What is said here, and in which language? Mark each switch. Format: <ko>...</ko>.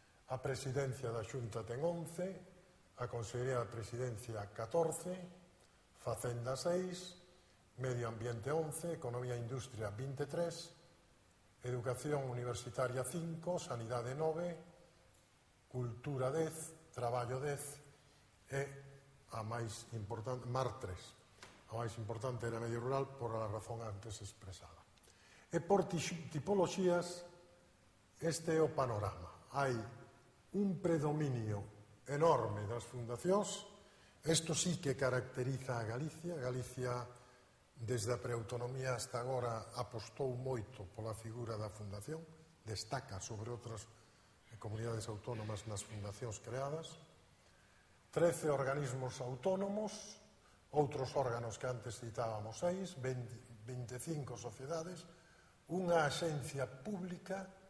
<gl>a presidencia da Xunta ten 11, a Consellería da Presidencia 14, Facenda 6, Medio Ambiente 11, Economía e Industria 23, Educación Universitaria 5, Sanidade 9, Cultura 10, Traballo 10 e a máis importante, Mar 3. O máis importante era Medio Rural por a razón antes expresada. E por tipoloxías, este é o panorama. Hai un predominio enorme das fundacións,</gl> <es>Esto sí que caracteriza a Galicia.</es> <gl>Galicia, desde a preautonomía hasta agora, apostou moito pola figura da fundación, destaca sobre outras comunidades autónomas nas fundacións creadas. 13 organismos autónomos, outros órganos que antes citábamos, 6, 25 sociedades, unha axencia pública.</gl>